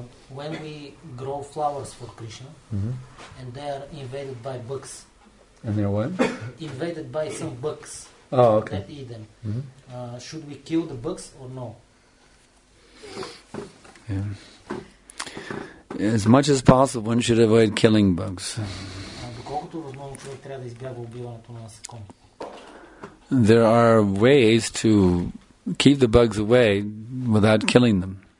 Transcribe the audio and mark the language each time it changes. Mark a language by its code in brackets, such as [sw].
[en] When we grow flowers for Krishna, and they are invaded by bugs. And they're what? Invaded by some bugs. Oh, okay. That eat them. Should we kill the bugs or no? Yeah. As much as possible, one should avoid killing bugs. [bg] Доколкото възможно човек трябва да избяга убиването на насекоми. [en] There are ways to keep the bugs away without killing them.